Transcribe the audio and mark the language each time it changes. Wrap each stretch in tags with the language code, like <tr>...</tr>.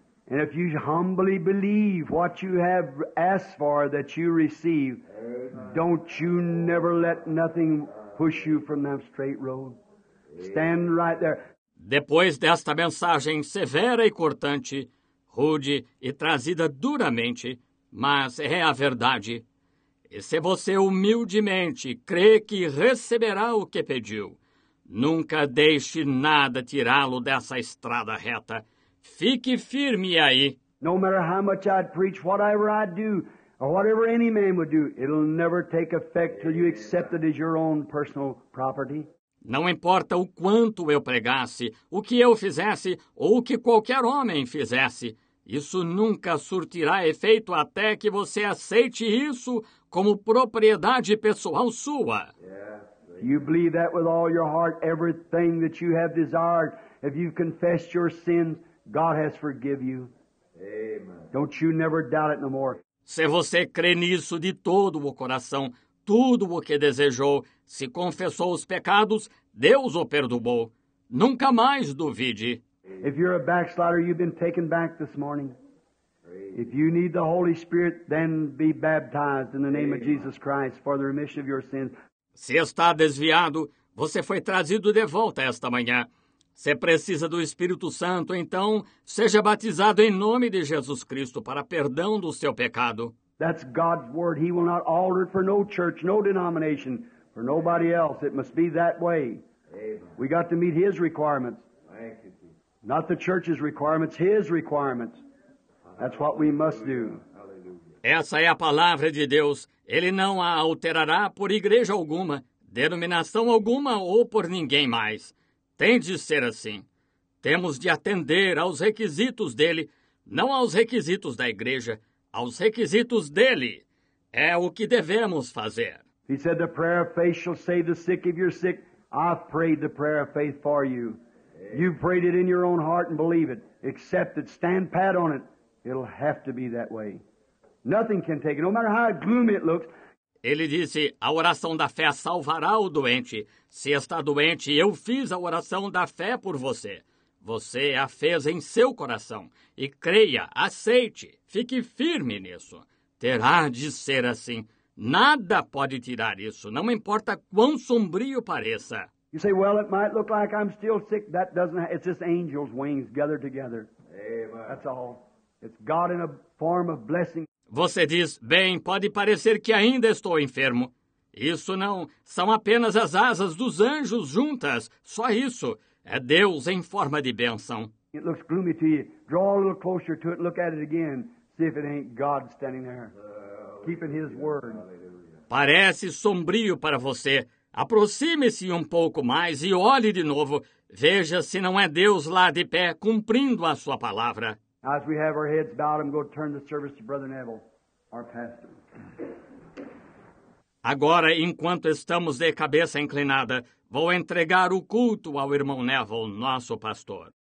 <en>And if you humbly believe what you have asked for that you receive, don't you never let nothing push you from that straight road. Stand right there.</en> <pt>Depois desta mensagem severa e cortante, rude e trazida duramente, mas é a verdade. E se você humildemente crê que receberá o que pediu, nunca deixe nada tirá-lo dessa estrada reta. Fique firme aí.</pt> <en>No matter how much I'd preach, whatever I'd do, or whatever any man would do, it'll never take effect till you accept it as your own personal property.</en> <pt>Não importa o quanto eu pregasse, o que eu fizesse, ou o que qualquer homem fizesse, isso nunca surtirá efeito até que você aceite isso como propriedade pessoal sua.</pt> <en>You believe that with all your heart, everything that you have desired, if you've confessed your sins, God has forgiven you. Don't you never doubt it no more.</en> <pt>Se você crê nisso de todo o coração, tudo o que desejou, se confessou os pecados, Deus o perdoou. Nunca mais duvide.</pt> <en>If you're a backslider, you've been taken back this morning. If you need the Holy Spirit, then be baptized in the name of Jesus Christ for the remission of your sins.</en> <pt>Se está desviado, você foi trazido de volta esta manhã. Se precisa do Espírito Santo, então seja batizado em nome de Jesus Cristo para perdão do seu pecado.</pt> <en>That's God's word. He will not alter it for no church, no denomination, for nobody else. It must be that way. Amen. We got to meet His requirements. Thank you, Jesus. Not the church's requirements, His requirements. That's what we must do.</en> <pt>Essa é a palavra de Deus. Ele não a alterará por igreja alguma, denominação alguma ou por ninguém mais. Tem de ser assim. Temos de atender aos requisitos dele, não aos requisitos da igreja, aos requisitos dele. É o que devemos fazer.</pt> <en>He said the prayer of faith shall save the sick if you're sick. I've prayed the prayer of faith for you. You've prayed it in your own heart and believe it. Accept it. Stand pat on it. It'll have to be that way. Nothing can take it, no matter how gloomy it looks.</en> <pt>Ele disse, a oração da fé salvará o doente. Se está doente, eu fiz a oração da fé por você. Você a fez em seu coração. E creia, aceite, fique firme nisso. Terá de ser assim. Nada pode tirar isso, não importa quão sombrio pareça.</pt> <en>You say, well, it might look like I'm still sick. That doesn't happen. It's just angels' wings gathered together. Amen. That's all. It's God in a form of blessing.</en> <pt>Você diz, bem, pode parecer que ainda estou enfermo. Isso não, são apenas as asas dos anjos juntas, só isso. É Deus em forma de bênção.</pt> <en>It looks gloomy to you. Draw a little closer to it, look at it again. See if it ain't God standing there, keeping His word.</en> <pt>Parece sombrio para você. Aproxime-se um pouco mais e olhe de novo. Veja se não é Deus lá de pé, cumprindo a sua palavra.</pt> <en>As we have our heads bowed, I'm going to turn the service to Brother Neville, our pastor.</en> <pt>Agora, enquanto estamos de cabeça inclinada, vou entregar o culto ao irmão Neville, nosso pastor.</pt>